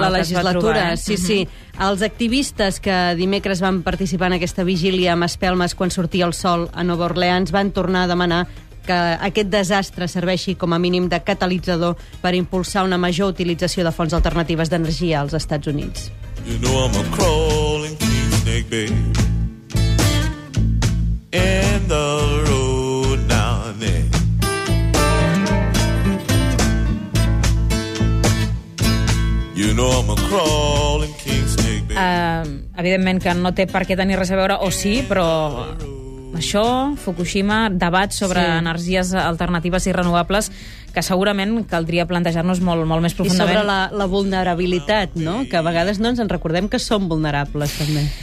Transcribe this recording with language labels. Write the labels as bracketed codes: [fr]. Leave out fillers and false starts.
[ca] la legislatura. Sí. Els activistes que dimecres van participar en aquesta vigília amb espelmes quan sortia el sol a Nova Orleans van tornar a demanar que aquest desastre serveixi com a mínim de catalitzador per impulsar una major utilització de fonts alternatives d'energia als Estats Units. [en] You know I'm a crawling king snake, baby. And the road now and then. You know I'm a crawling king snake, baby. [ca] Evidentment que no té per què tenir res a veure, o sí, però això, Fukushima, debat sobre energies alternatives i renovables que segurament caldria plantejar-nos molt, molt més profundament. I sobre la vulnerabilitat, no? Que a vegades no ens recordem que som vulnerables, també.